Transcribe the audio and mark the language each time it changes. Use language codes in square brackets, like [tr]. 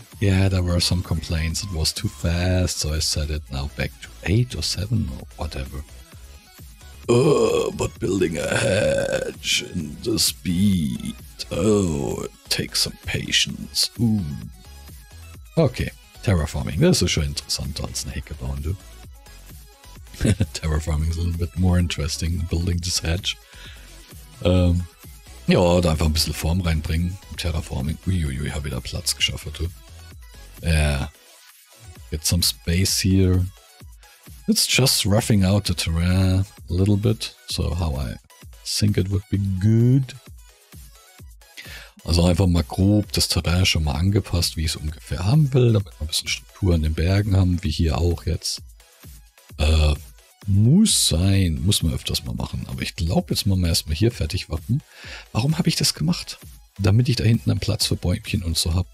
[en] Yeah, there were some complaints. It was too fast, so I set it now back to 8 or 7 or whatever. But building a hedge in the speed. It takes some patience. Okay, terraforming. [de] Das ist schon interessanter als eine Hecke bauen, du. [en] Terraforming is a little bit more interesting, building this hedge. [de] Ja, da einfach ein bisschen Form reinbringen. Terraforming. Uiuiui, habe wieder Platz geschaffen, du. Yeah. [en] Get some space here. It's just roughing out the terrain a little bit. So how I think it would be good. [de] Also einfach mal grob das Terrain schon mal angepasst, wie ich es ungefähr haben will, damit wir ein bisschen Struktur in den Bergen haben, wie hier auch jetzt. Muss sein. Muss man öfters mal machen. Aber ich glaube, jetzt machen wir erstmal hier fertig wappen. Warum habe ich das gemacht? Damit ich da hinten einen Platz für Bäumchen und so habe.